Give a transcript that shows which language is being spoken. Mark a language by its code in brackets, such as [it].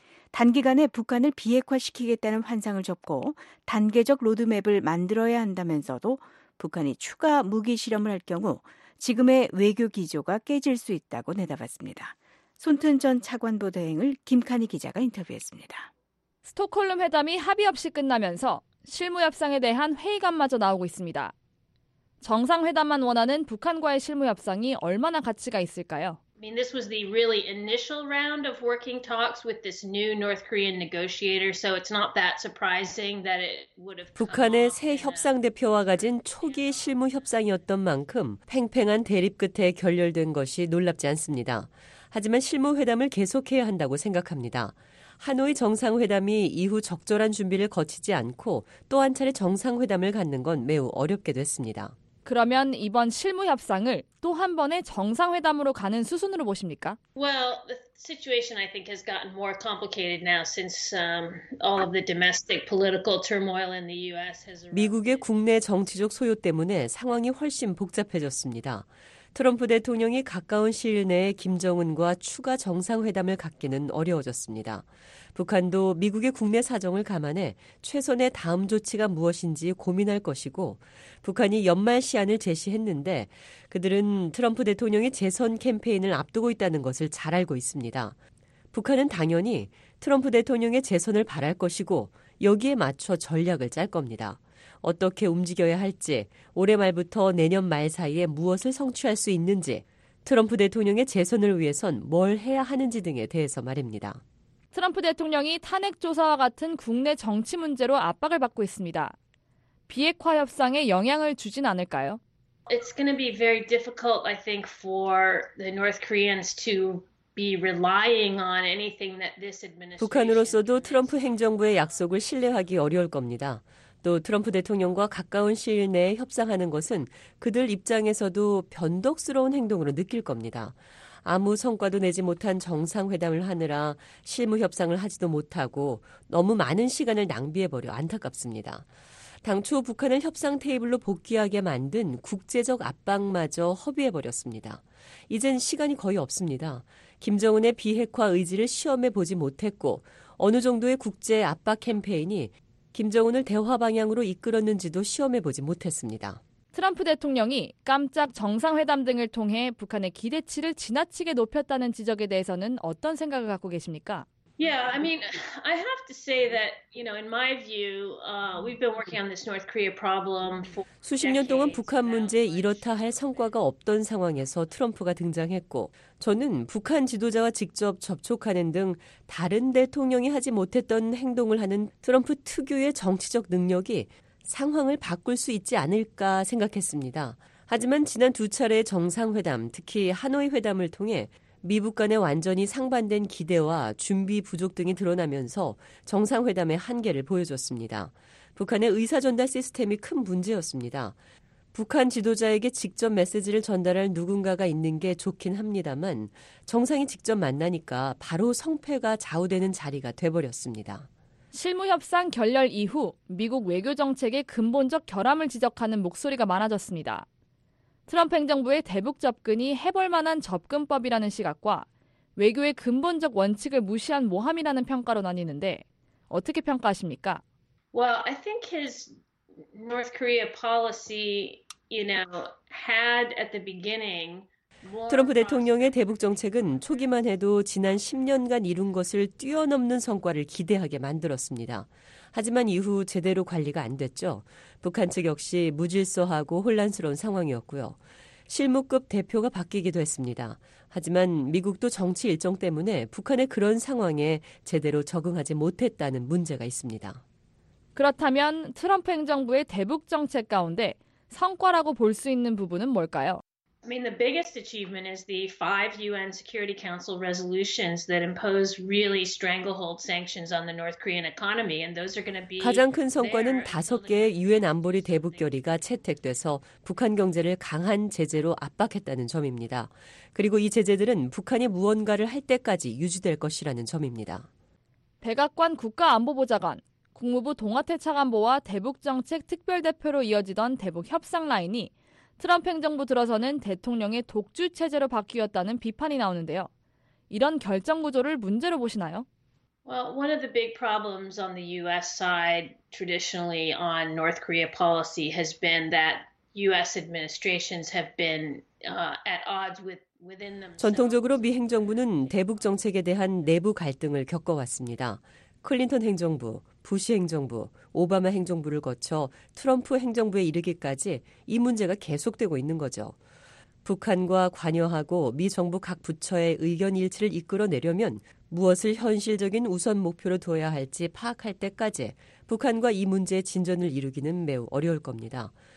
[ko] 단기간에 북한을 비핵화시키겠다는 환상을 접고 단계적 로드맵을 만들어야 한다면서도 북한이 추가 무기 실험을 할 경우 지금의 외교 기조가 깨질 수 있다고 내다봤습니다. 손튼 전 차관보 대행을 김카니 기자가 인터뷰했습니다. 스톡홀름 회담이 합의 없이 끝나면서 실무협상에 대한 회의감마저 나오고 있습니다. 정상회담만 원하는 북한과의 실무협상이 얼마나 가치가 있을까요? [en] This was the really initial round of working talks with this new North Korean negotiator, so it's not that surprising that it would have. [ko] 북한의 새 협상 대표와 가진 초기 실무 협상이었던 만큼 팽팽한 대립 끝에 결렬된 것이 놀랍지 않습니다. 하지만 실무 회담을 계속해야 한다고 생각합니다. 하노이 정상회담이 이후 적절한 준비를 거치지 않고 또 한 차례 정상회담을 갖는 건 매우 어렵게 됐습니다. 그러면 이번 실무 협상을 또 한 번의 정상회담으로 가는 수순으로 보십니까? [en] Well, the situation I think has gotten more complicated now since all of the domestic political turmoil in the US has erupted. [ko] 미국의 국내 정치적 소요 때문에 상황이 훨씬 복잡해졌습니다. 트럼프 대통령이 가까운 시일 내에 김정은과 추가 정상회담을 갖기는 어려워졌습니다. 북한도 미국의 국내 사정을 감안해 최선의 다음 조치가 무엇인지 고민할 것이고 북한이 연말 시한을 제시했는데 그들은 트럼프 대통령의 재선 캠페인을 앞두고 있다는 것을 잘 알고 있습니다. 북한은 당연히 트럼프 대통령의 재선을 바랄 것이고 여기에 맞춰 전략을 짤 겁니다. 어떻게 움직여야 할지, 올해 말부터 내년 말 사이에 무엇을 성취할 수 있는지, 트럼프 대통령의 재선을 위해선 뭘 해야 하는지 등에 대해서 말입니다. 트럼프 대통령이 탄핵 조사와 같은 국내 정치 문제로 압박을 받고 있습니다. 비핵화 협상에 영향을 주진 않을까요? [en] It's going to be very difficult, I think, for the North Koreans to be relying on anything that this administration. [ko] 북한으로서도 트럼프 행정부의 약속을 신뢰하기 어려울 겁니다. 또 트럼프 대통령과 가까운 시일 내에 협상하는 것은 그들 입장에서도 변덕스러운 행동으로 느낄 겁니다. 아무 성과도 내지 못한 정상회담을 하느라 실무 협상을 하지도 못하고 너무 많은 시간을 낭비해버려 안타깝습니다. 당초 북한을 협상 테이블로 복귀하게 만든 국제적 압박마저 허비해버렸습니다. 이젠 시간이 거의 없습니다. 김정은의 비핵화 의지를 시험해보지 못했고 어느 정도의 국제 압박 캠페인이 김정은을 대화 방향으로 이끌었는지도 시험해보지 못했습니다. 트럼프 대통령이 깜짝 정상회담 등을 통해 북한의 기대치를 지나치게 높였다는 지적에 대해서는 어떤 생각을 갖고 계십니까? [en] Yeah, I mean, I have to say that, you know, in my view, we've been working on this North Korea problem for [ko] 수십 년 동안 북한 문제 이렇다 할 성과가 없던 상황에서 트럼프가 등장했고, 저는 북한 지도자와 직접 접촉하는 등 다른 대통령이 하지 못했던 행동을 하는 트럼프 특유의 정치적 능력이 상황을 바꿀 수 있지 않을까 생각했습니다. 하지만 지난 두 차례 정상회담, 특히 하노이 회담을 통해 미북 간의 완전히 상반된 기대와 준비 부족 등이 드러나면서 정상회담의 한계를 보여줬습니다. 북한의 의사전달 시스템이 큰 문제였습니다. 북한 지도자에게 직접 메시지를 전달할 누군가가 있는 게 좋긴 합니다만 정상이 직접 만나니까 바로 성패가 좌우되는 자리가 돼버렸습니다. 실무협상 결렬 이후 미국 외교정책의 근본적 결함을 지적하는 목소리가 많아졌습니다. 트럼프 행정부의 대북 접근이 해볼 만한 접근법이라는 시각과 외교의 근본적 원칙을 무시한 모함이라는 평가로 나뉘는데 어떻게 평가하십니까? [en] Well, I think his North Korea policy, you know, had at the beginning [ko] 트럼프 대통령의 대북 정책은 초기만 해도 지난 10년간 이룬 것을 뛰어넘는 성과를 기대하게 만들었습니다. 하지만 이후 제대로 관리가 안 됐죠. 북한 측 역시 무질서하고 혼란스러운 상황이었고요. 실무급 대표가 바뀌기도 했습니다. 하지만 미국도 정치 일정 때문에 북한의 그런 상황에 제대로 적응하지 못했다는 문제가 있습니다. 그렇다면 트럼프 행정부의 대북 정책 가운데 성과라고 볼 수 있는 부분은 뭘까요? [en] I mean, the biggest achievement is the five UN Security Council resolutions that impose really stranglehold sanctions on the North Korean economy, and those are going to be [ko] 가장 큰 성과는 다섯 개의 UN 안보리 대북 결의가 채택돼서 북한 경제를 강한 제재로 압박했다는 점입니다. 그리고 이 제재들은 북한이 무언가를 할 때까지 유지될 것이라는 점입니다. 백악관 국가안보보좌관, 국무부 동아태 차관보와 대북정책 특별대표로 이어지던 대북 협상 라인이 트럼프 행정부 들어서는 대통령의 독주 체제로 바뀌었다는 비판이 나오는데요. 이런 결정 구조를 문제로 보시나요? [en] Well, one of the big problems on the US side traditionally on North Korea policy has been that US administrations have been at odds with within themselves. [ko] 전통적으로 미 행정부는 대북 정책에 대한 내부 갈등을 겪어왔습니다. 클린턴 행정부, 부시 행정부, 오바마 행정부를 거쳐 트럼프 행정부에 이르기까지 이 문제가 계속되고 있는 거죠. 북한과 관여하고 미 정부 각 부처의 의견 일치를 이끌어내려면 무엇을 현실적인 우선 목표로 둬야 할지 파악할 때까지 북한과 이 문제의 진전을 이루기는 매우 어려울 겁니다.